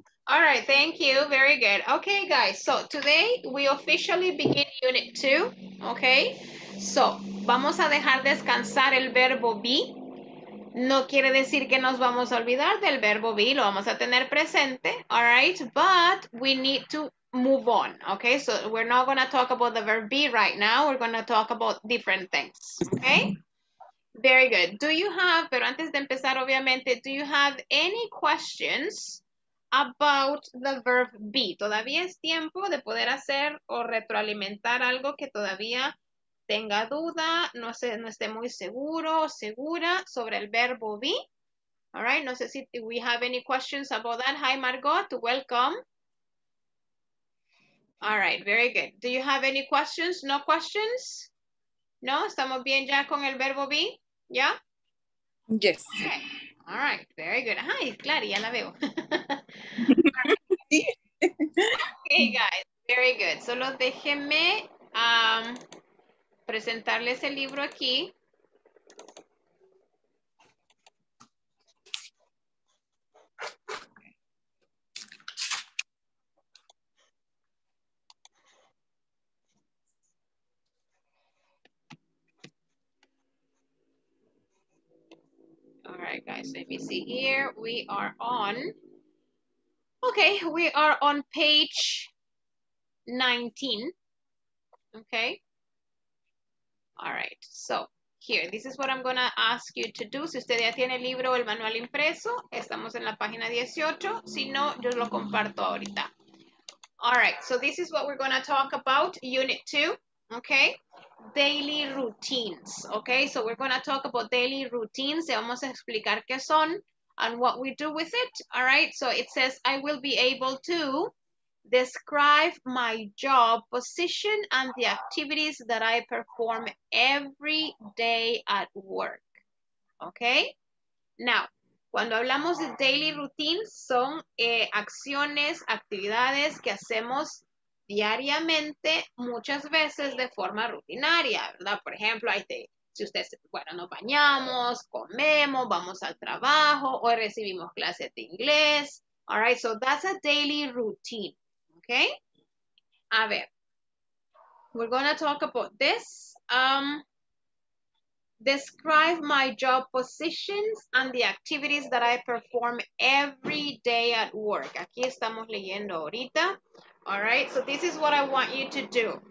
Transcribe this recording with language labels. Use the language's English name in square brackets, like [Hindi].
[English] All right, thank you. Very good. Okay, guys. So today we officially begin unit 2. Okay. [Spanish] So vamos a dejar descansar el verbo be. No quiere decir que nos vamos a olvidar del verbo be, lo vamos a tener presente, [English] all right? But we need to move on, okay? So we're not going to talk about the verb be right now, we're going to talk about different things, okay? Very good. Do you have, [Spanish] pero antes de empezar, obviamente, [English] do you have any questions about the verb be? [Spanish] ¿Todavía es tiempo de poder hacer o retroalimentar algo que todavía tenga duda, no esté muy seguro o segura sobre el verbo be? [English] All right, [Spanish] no sé si [English] we have any questions about that. Hi, Margot, welcome. All right, very good. Do you have any questions? No questions? [Spanish] No, estamos bien ya con el verbo be? [English] Yeah? Yes. Okay. All right, very good. Hi, Clary, [Spanish] ya la veo. [English] Okay, guys, very good. [Spanish] Solo déjeme presentarles el libro aquí. [English] All right, guys, let me see here. We are on. Okay, we are on page 19. Okay. All right, so here, this is what I'm going to ask you to do. [Spanish] Si usted ya tiene el libro o el manual impreso, estamos en la página 18. Si no, yo lo comparto ahorita. [English] All right, so this is what we're going to talk about, unit 2, okay? Daily routines, okay? So we're going to talk about daily routines. [Spanish] Le vamos a explicar qué son [English] and what we do with it, all right? So it says, I will be able to describe my job position and the activities that I perform every day at work. Okay? [Spanish] Now, cuando hablamos de daily routines, son acciones, actividades que hacemos diariamente, muchas veces de forma rutinaria, ¿verdad? Por ejemplo, nos bañamos, comemos, vamos al trabajo, hoy recibimos clases de inglés. [English] All right, so that's a daily routine. Okay, [Spanish] a ver, [English] we're going to talk about this. Describe my job positions and the activities that I perform every day at work. [Spanish] Aquí estamos leyendo ahorita. [English] All right, so this is what I want you to do.